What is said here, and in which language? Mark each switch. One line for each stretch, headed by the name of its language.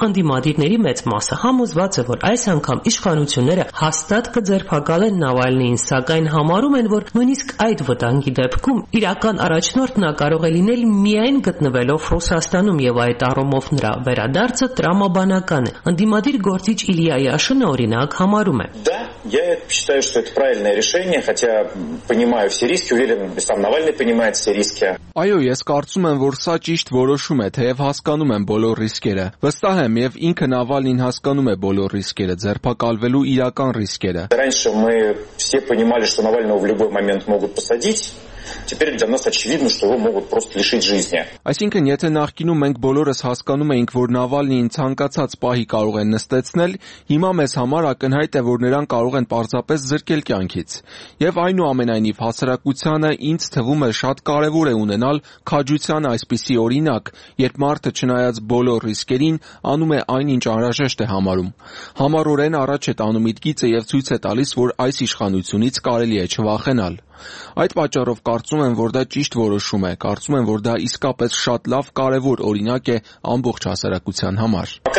Armenian: ընդդիմադիրների մեծ մասը համոզված է, որ այս անգամ իշխանությունները հաստատ կձերբակալեն Նավալնին, սակայն համարում են, որ նույնիսկ այդ վտանգի դեպքում իրական առաջնորդն է կարող է լինել միայն գտնվելով Ռուսաստանում և այդ առումով նրա վերադարձը տրամաբանական է։ Ընդդիմադիր գործիչ Իլիա Յաշինը օրինակ համարում է.
Russian: Я считаю, что это правильное решение, хотя понимаю все риски, уверен, сам Навальный понимает все риски.
Armenian: Այո, ես կարծում եմ, որ սա ճիշտ որոշում է, թեև հասկանում եմ բոլոր ռիսկերը։ Վստահ եմ, եւ ինքը Նավալնին հասկանում է բոլոր ռիսկերը, ձերբակալվելու իրական ռիսկերը։
Russian: Раньше мы все понимали, что Навального в любой момент могут посадить. Теперь для нас очевидно, что его могут просто лишить жизни.
Armenian: Այսինքն, եթե նախկինում մենք բոլորս հասկանում էինք, որ Նավալնին ցանկացած պահի կարող են նստեցնել, հիմա մեզ համար ակնհայտ է, որ նրան կարող են պարզապես զրկել կյանքից։ Եվ այնուամենայնիվ հասարակությանը ինձ թվում է շատ կարևոր է ունենալ քաջության այսպիսի օրինակ, երբ մարդը չնայած բոլոր ռիսկերին անում է այն, ինչ անհրաժեշտ է համարում։ Համառորեն առաջ է տանում իր գիծը և ցույց է տալիս, որ այս իշխանությունից կարելի է չվախենալ։ Այդ պատճառով կարծում եմ, որ դա ճիշտ որոշում է, կարծում եմ, որ դա իսկապես շատ լավ կարևոր օրինակ է ամբողջ հասարակության համար։